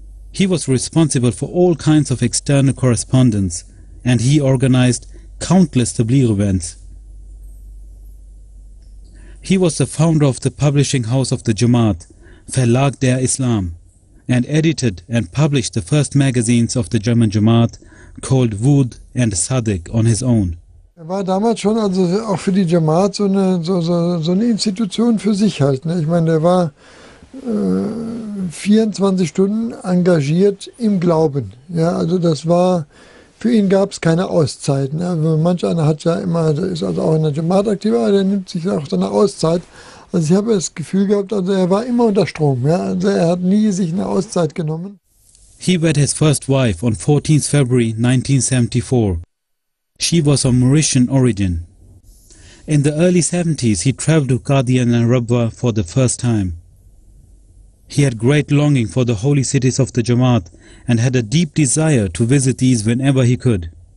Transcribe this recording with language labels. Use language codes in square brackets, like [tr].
[en] He was responsible for all kinds of external correspondence, and he organized countless tabligh events. He was the founder of the publishing house of the Jamaat, Verlag der Islam, and edited and published the first magazines of the German Jamaat called Wud and Sadiq on his own. [de] Er war damals schon also auch für die Jamaat so eine Institution für sich halt. Ne? Ich meine, er war 24 Stunden engagiert im Glauben. Ja, also das war, für ihn gab es keine Auszeiten. Ne? Also manch einer hat ja immer, ist also auch in der Jamaat aktiv, aber der nimmt sich auch so eine Auszeit. Also ich habe das Gefühl gehabt, also er war immer unter Strom, ja? Also er hat nie sich eine Auszeit genommen. [en] He wed his first wife on 14th February 1974. She was of Mauritian origin. In the early 70s he traveled to Qadian and Rabwa for the first time. He had great longing for the holy cities of the Jamaat and had a deep desire to visit these whenever he could.